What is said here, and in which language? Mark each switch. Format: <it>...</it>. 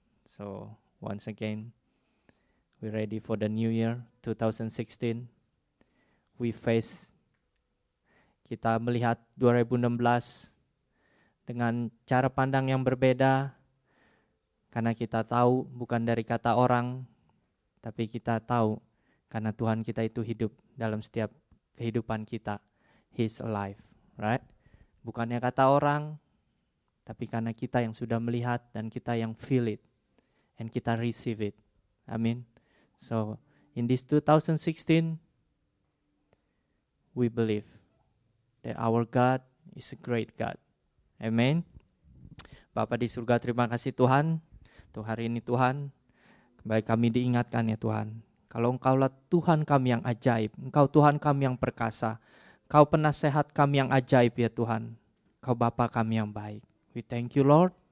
<en>So once again, we're ready for the new year 2016.</en> <id>Kita melihat 2016 dengan cara pandang yang berbeda. Karena kita tahu bukan dari kata orang, tapi kita tahu karena Tuhan kita itu hidup dalam setiap kehidupan kita.</id> <en>He's alive, right?</en> <id>Bukannya kata orang, tapi karena kita yang sudah melihat dan kita yang</id> <en>feel it. And</en> <id>kita</id> <en>receive it. Amin. So, in this 2016, we believe that our God is a great God.</en> <id>Amin. Bapa di surga, terima kasih Tuhan. Untuk hari ini Tuhan, kembali kami diingatkan ya Tuhan, kalau Engkaulah Tuhan kami yang ajaib, Engkau Tuhan kami yang perkasa, Kau penasehat kami yang ajaib ya Tuhan, Kau Bapa kami yang baik.</id> <en>We thank you Lord.</en>